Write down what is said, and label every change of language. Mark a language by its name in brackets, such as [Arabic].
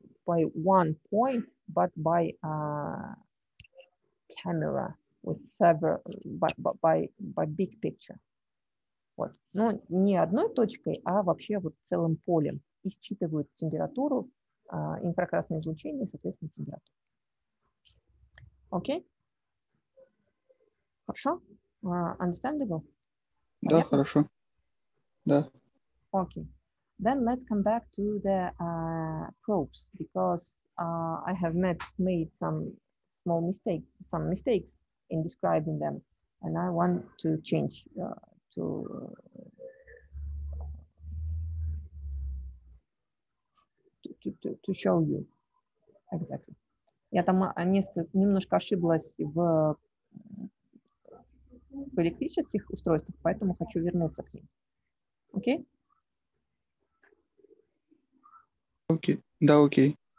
[English] by one point, but by a camera with several, by big picture. [Russian] Вот. Ну, не одной точкой, а вообще вот целым полем. И считывают температуру, инфракрасное излучение, соответственно, температуру. Окей? Хорошо? [English] Understandable? [Russian] Понятно? Да, хорошо. Да. Окей. [English] Then let's come back to the probes, because I have made some small mistakes, some mistakes in describing them, and I want to change to show you exactly. [Russian] Я там немножко ошиблась в электрических устройствах, поэтому хочу вернуться к ним. Окей? Окей, да, окей.